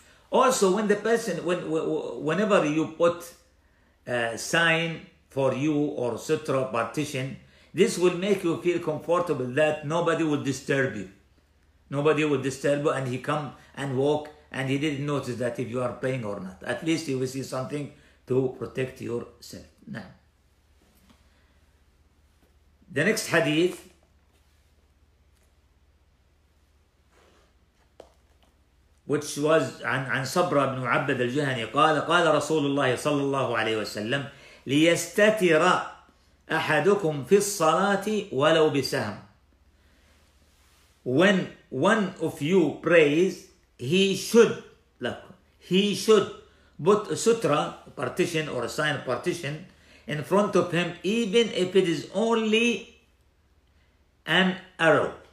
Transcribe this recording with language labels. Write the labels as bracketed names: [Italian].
[English] Also, when the person, whenever you put a sign for you or sutra partition, this will make you feel comfortable that nobody will disturb you. Nobody will disturb you, and he come and walk and he didn't notice that if you are paying or not. At least you will see something to protect yourself. Now, the next hadith, which was [Arabic] عن صبر بن عبد الجهني قال رسول الله صلى الله عليه وسلم ليستتر أحدكم في الصلاة ولو بسهم. [English] When one of you prays, he should put a sutra, a partition or a sign of partition, in front of him, even if it is only an arrow.